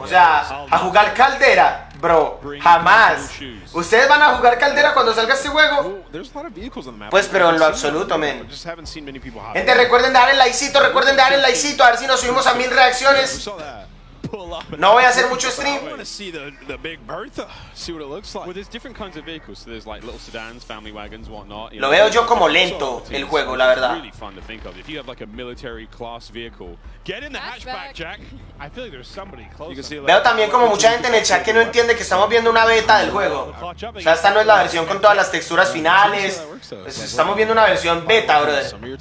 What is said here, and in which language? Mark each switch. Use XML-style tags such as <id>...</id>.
<es>O sea, a jugar Caldera, bro, jamás. ¿Ustedes van a jugar Caldera cuando salga este juego? Pues, pero en lo absoluto, men. Gente, recuerden dar el likecito, recuerden dar el likecito, a ver si nos subimos a 1000 reacciones. No voy a hacer mucho stream.</es> <en>I want to see the big Bertha. See what it looks like. Well, there's different kinds of vehicles. So there's like little sedans, family wagons, whatnot.</en> <es>Lo veo yo como lento el juego, la verdad.</es> <en>Really fun to think of. If you have like a military class vehicle, get in the hatchback, Jack. I feel like there's somebody close.</en> <es>Veo también como mucha gente en el chat que no entiende que estamos viendo una beta del juego. O sea, esta no es la versión con todas las texturas finales. Estamos viendo una versión beta, brother.</es>